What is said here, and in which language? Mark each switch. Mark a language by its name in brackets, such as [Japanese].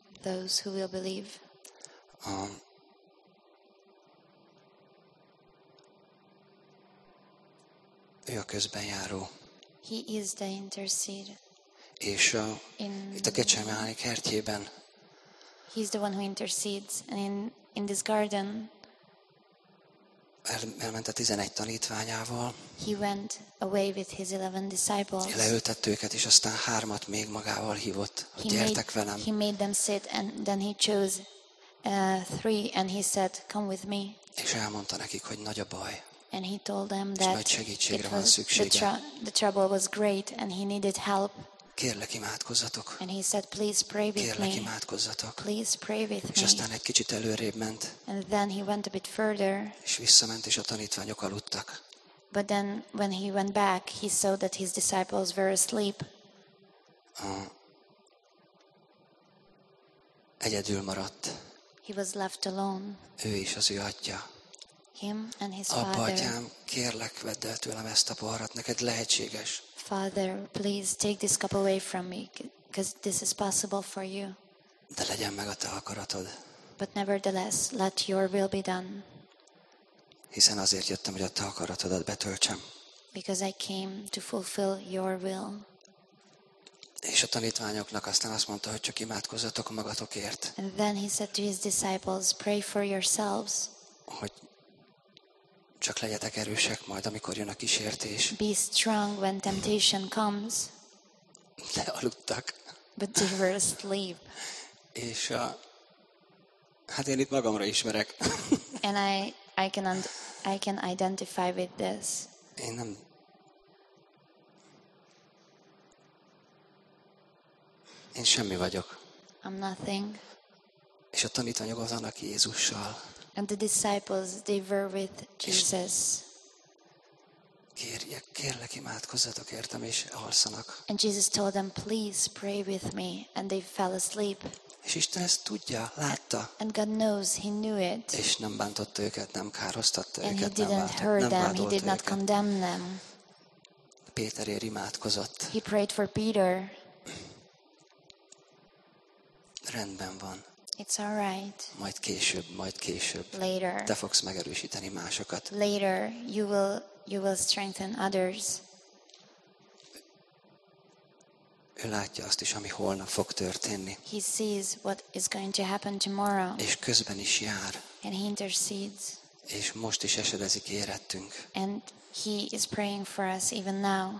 [English] Those who will believe. [Hungarian] Ő a közben járó. [English] He is the intercede. [Hungarian] És itt a Getsemáni kertjében. [English] He is the one who intercedes and in this garden. [Hungarian] Elment a 11 tanítványával. [English] He went away with his 11 disciples. [Hungarian] Leültett őket, és aztán hármat még magával hívott, hogy gyertek velem. [English] He made them sit and then he chose three and he said, come with me. [Hungarian] És elmondta nekik, hogy nagy a baj. [English] And he told them that [Hungarian] nagy segítségre van szüksége. [English] The trouble was great and he needed help. [Hungarian] Kérlek, imádkozzatok. [English] And he said, please pray with [Hungarian] Kérlek, imádkozzatok. [English] Please pray with [Hungarian] és aztán egy kicsit előrébb ment. [English] And then he went a bit further. [Hungarian] És visszament, és a tanítványok aludtak. [English] But then when he went back, he saw that his disciples were asleep. [Hungarian] Egyedül maradt. [English] He was left alone. [Hungarian] Ő is az ő atya. [English] Him and his [Hungarian] Abba, [English] father. [Hungarian] Atyám, kérlek, vedd el tőlem ezt a poharat, neked lehetséges. [English] Father, please take this cup away from me, because this is possible for you. [Hungarian] De legyen meg a te akaratod. [English] But nevertheless, let your will be done. [Hungarian] Hiszen azért jöttem, hogy a te akaratodat betöltsem. [English] Because I came to fulfill your will. [Hungarian] És a tanítványoknak aztán azt mondta, hogy csak imádkozzatok magatokért. [English] And then he said to his disciples, pray for yourselves. [Hungarian] Hogy csak legyetek erősek majd, amikor jön a kísértés. [English] Be strong when temptation comes. [Hungarian] De aludtak. [English] But they were asleep. [Hungarian] És hát én itt magamra ismerek. [English] And I can identify with this. [Hungarian] Én nem. Én semmi vagyok. [English] I'm nothing. [Hungarian] És a tanítványok az annak Jézussal. [English] And the disciples, they were with Jesus. [Hungarian] Kérlek, imádkozzatok értem, és alszanak. [English] And Jesus told them, please pray with me, and they fell asleep. [Hungarian] És Isten ezt tudja, látta. [English] And God knows, he knew it. [Hungarian] És nem bántotta őket, nem károsztatta [English] and [Hungarian] őket, [English] he didn't [Hungarian] nem [English] hurt them, he did [Hungarian] őket. [English] Not condemn them. [Hungarian] Péterért imádkozott. [English] He prayed for Peter. [Hungarian] Rendben van. [English] It's all right. [Hungarian] Majd később. [English] Later. [Hungarian] Te fogsz megerősíteni másokat. [English] Later, you will strengthen others. [Hungarian] Ő látja azt is, ami holnap fog történni. [English] He sees what is going to happen tomorrow. [Hungarian] És közben is jár. [English] And he intercedes. [Hungarian] És most is esedezik érettünk. [English] And he is praying for us even now.